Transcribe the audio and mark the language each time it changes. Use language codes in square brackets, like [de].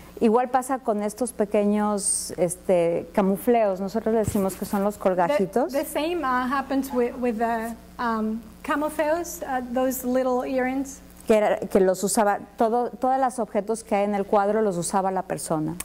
[es] Igual pasa con estos pequeños camufleos. Nosotros decimos que son los colgajitos. [en] The same happens with the camufleos, those little earrings. [es] Que los usaba, todos los objetos que hay en el cuadro los usaba la persona.